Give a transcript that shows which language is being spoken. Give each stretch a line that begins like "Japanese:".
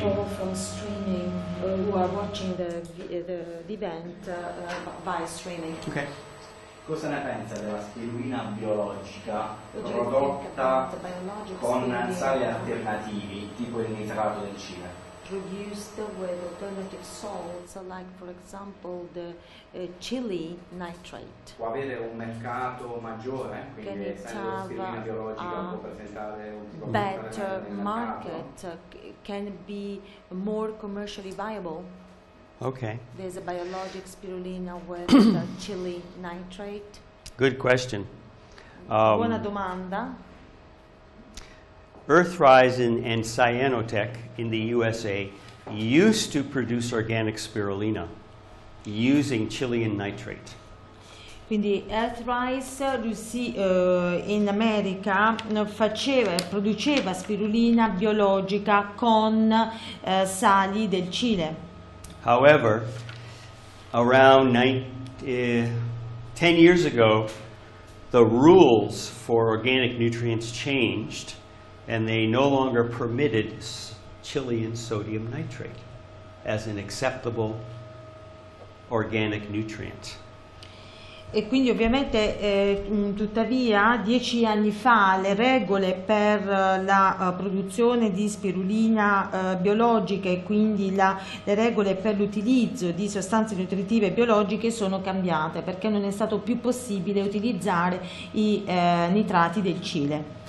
English: Who are watching the event by streaming. Okay.
Italian: Cosa ne pensa della spirulina biologica prodotta con sali alternativi tipo il nitrato del Cile?
English: Produced with alternative salts, like for example the chili nitrate.
Italian: Può avere un mercato maggiore, quindi essendo la spirulina biologica può presentare un
English: better market, can be more commercially viable. Okay. There's a biologic spirulina with chili nitrate. Good question.
Italian: Buona domanda.
English: Earthrise and Cyanotech in the USA used to produce organic spirulina using Chilean nitrate.
Italian: Quindi Earthrise in America faceva e produceva spirulina biologica con sali del Cile.
English: However, around 10 years ago, the rules for organic nutrients changed and they no longer permitted Chilean sodium nitrate as an acceptable organic nutrient.
Italian: E quindi ovviamente tuttavia 10 anni fa le regole per la produzione di spirulina biologica e quindi le regole per l'utilizzo di sostanze nutritive biologiche sono cambiate perché non è stato più possibile utilizzare i nitrati del Cile.